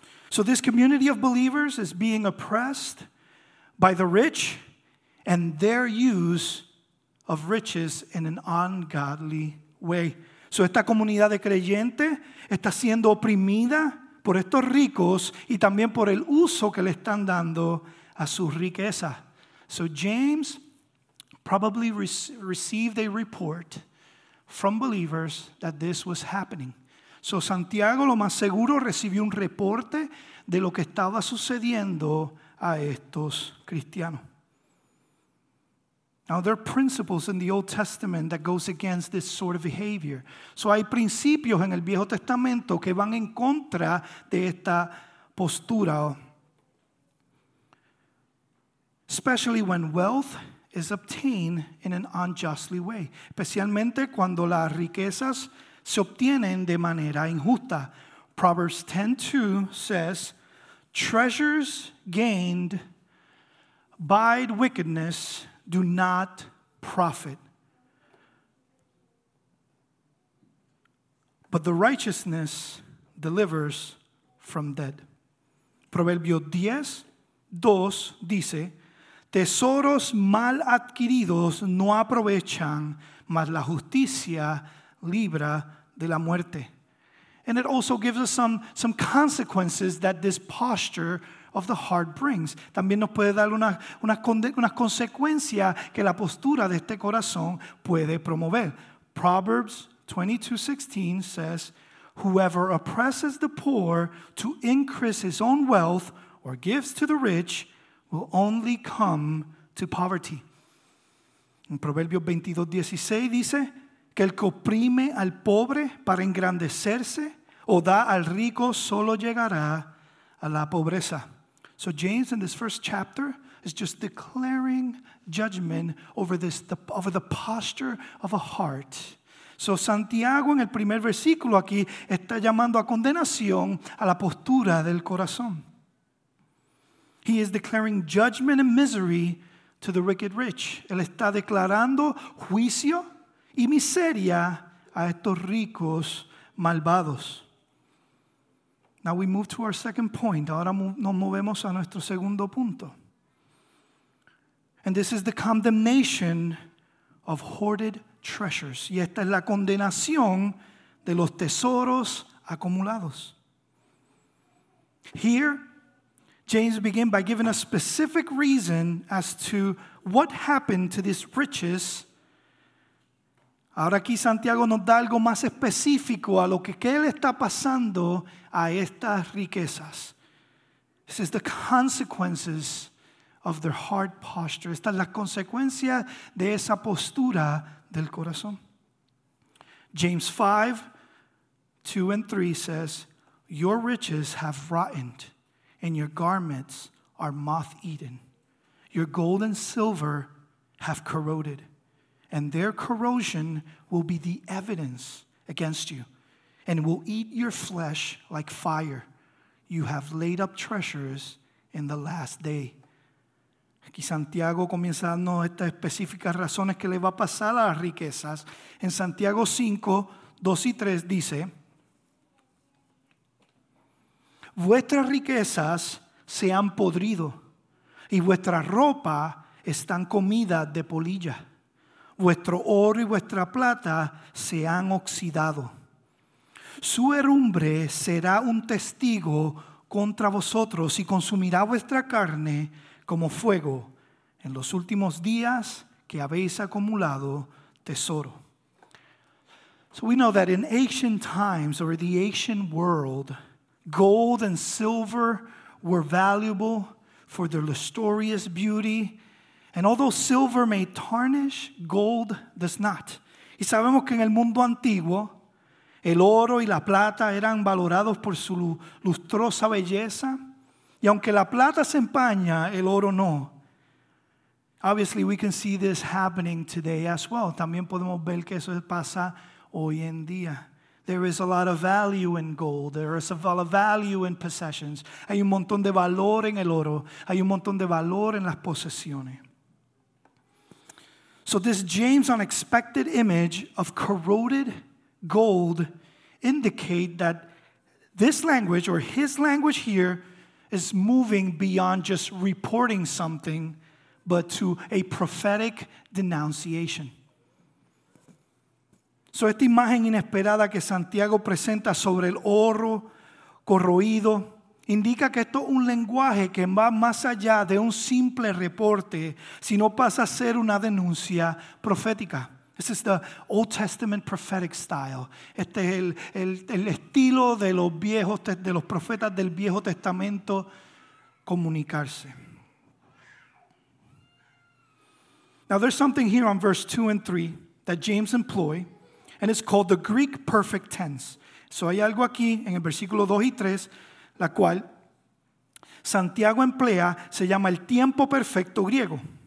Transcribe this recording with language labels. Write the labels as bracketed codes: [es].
[en] So this community of believers is being oppressed by the rich and their use of riches in an ungodly way. [es] So esta comunidad de creyentes está siendo oprimida por estos ricos y también por el uso que le están dando a sus riquezas. [en] So James probably received a report from believers that this was happening. [es] So Santiago lo más seguro recibió un reporte de lo que estaba sucediendo a estos cristianos. [en] Now there are principles in the Old Testament that goes against this sort of behavior. [es] So hay principios en el Viejo Testamento que van en contra de esta postura. [en] Especially when wealth is obtained in an unjustly way. [es] Especialmente cuando las riquezas se obtienen de manera injusta. [en] Proverbs 10:2 says, treasures gained by wickedness do not profit, but the righteousness delivers from debt. [es] Proverbio 10:2 dice, tesoros mal adquiridos no aprovechan, mas la justicia libra de la muerte. [en] And it also gives us some consequences that this posture of the heart brings. [es] También nos puede dar una consecuencia que la postura de este corazón puede promover. [en] Proverbs 22:16 says, "Whoever oppresses the poor to increase his own wealth or gives to the rich will only come to poverty." [es] En Proverbios 22:16 dice que el que oprime al pobre para engrandecerse o da al rico solo llegará a la pobreza. [en] So James in this first chapter is just declaring judgment over the posture of a heart. [es] So Santiago en el primer versículo aquí está llamando a condenación a la postura del corazón. [en] He is declaring judgment and misery to the wicked rich. [es] Él está declarando juicio y miseria a estos ricos malvados. [en] Now we move to our second point. [es] Ahora nos movemos a nuestro segundo punto. [en] And this is the condemnation of hoarded treasures. [es] Y esta es la condenación de los tesoros acumulados. [en] Here, James begins by giving a specific reason as to what happened to these riches. [es] Ahora aquí Santiago nos da algo más específico a lo que él está pasando a estas riquezas. [en] This is the consequences of their heart posture. [es] Esta es la consecuencia de esa postura del corazón. [en] James 5, 2 and 3 says, "Your riches have rotten, and your garments are moth-eaten. Your gold and silver have corroded, and their corrosion will be the evidence against you, and will eat your flesh like fire. You have laid up treasures in the last day." [es] Aquí Santiago comienza dando estas específicas razones que le va a pasar a las riquezas. En Santiago 5, 2 y 3 dice, "Vuestras riquezas se han podrido, y vuestra ropa están comida de polilla. Vuestro oro y vuestra plata se han oxidado. Su herrumbre será un testigo contra vosotros y consumirá vuestra carne como fuego en los últimos días que habéis acumulado tesoro." [en] So we know that in ancient times or the ancient world, gold and silver were valuable for their lustrous beauty. And although silver may tarnish, gold does not. [es] Y sabemos que en el mundo antiguo, el oro y la plata eran valorados por su lustrosa belleza. Y aunque la plata se empaña, el oro no. [en] Obviously, we can see this happening today as well. [es] También podemos ver que eso pasa hoy en día. [en] There is a lot of value in gold. There is a lot of value in possessions. [es] Hay un montón de valor en el oro. Hay un montón de valor en las posesiones. [en] So this James' unexpected image of corroded gold indicate that this language, or his language here, is moving beyond just reporting something, but to a prophetic denunciation. [es] So esta imagen inesperada que Santiago presenta sobre el oro corroído indica que esto es un lenguaje que va más allá de un simple reporte, sino pasa a ser una denuncia profética. [en] This is the Old Testament prophetic style. [es] Este es el estilo de los viejos, de los profetas del Viejo Testamento comunicarse. [en] Now there's something here on verse 2 and 3 that James employ, and it's called the Greek perfect tense. [es] So hay algo aquí en el versículo 2 y 3 la cual Santiago emplea, se llama el tiempo perfecto griego.